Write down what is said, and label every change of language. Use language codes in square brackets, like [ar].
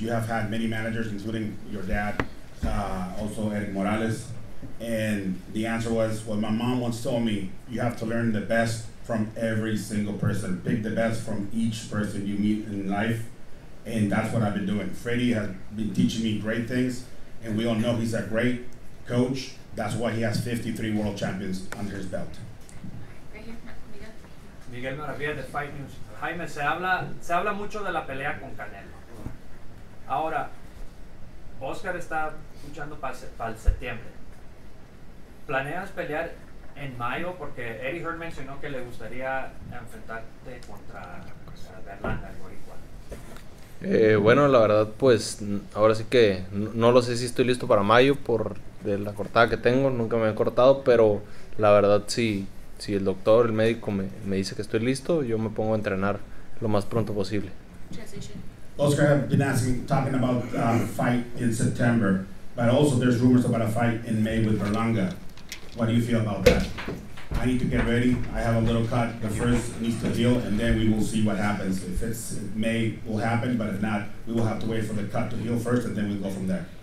[en] You have had many managers, including your dad, also Eric Morales, and the answer was, what my mom once told me, you have to learn the best from every single person. Pick the best from each person you meet in life, and that's what I've been doing. Freddie has been teaching me great things, and we all know he's a great coach. That's why he has 53 world champions under his belt. [es] Miguel Maravilla de Fight News. Jaime, se habla mucho de la pelea con Canelo. Ahora, Oscar está luchando para el septiembre. ¿Planeas pelear en mayo? Porque Eddie Hearn mencionó que le gustaría enfrentarte contra Verlanda, el Boricua. Bueno, la verdad, pues ahora sí que no lo sé si estoy listo para mayo por de la cortada que tengo, nunca me he cortado, pero la verdad si el doctor, el médico me dice que estoy listo, yo me pongo a entrenar lo más pronto posible. [en] Oscar, I've been talking about a fight in September, but also there's rumors about a fight in May with Berlanga. What do you feel about that? I need to get ready. I have a little cut. The first needs to heal, and then we will see what happens. If it's May, will happen, but if not, we will have to wait for the cut to heal first, and then we'll go from there.